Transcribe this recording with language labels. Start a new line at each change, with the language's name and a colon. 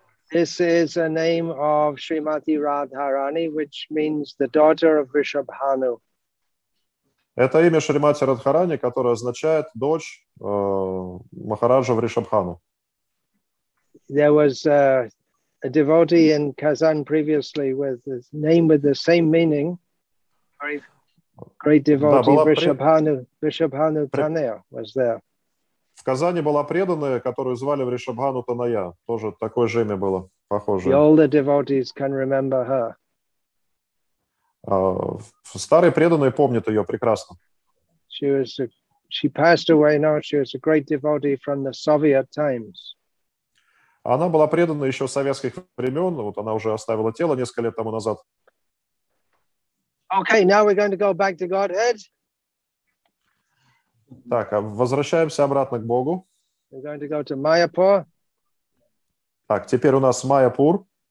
English: This is a name of Srimati Radharani, which means the daughter of Vrishabhanu.
Russian: Это имя Шримати Радхарани, которое означает дочь Махараджа Вришабхану.
English: There was a devotee in Kazan previously with the name with the same meaning. Great devotee, Vrishabhanu Tanaya was there.
Russian: В Казани была преданная, которую звали Вришабхану Танайя. Тоже такое же имя было, похоже.
English: The older devotees can remember her.
Russian: Старые преданные помнят ее прекрасно.
English: She passed away now. She was a great devotee from the Soviet times.
Russian: Она была предана еще советских времен. Вот она уже оставила тело несколько лет тому назад.
English: Okay, now we're going to go back to Godhead.
Russian: Так, возвращаемся обратно к Богу.
English: We're going to go to Mayapur.
Russian: Так, теперь у нас Майяпур.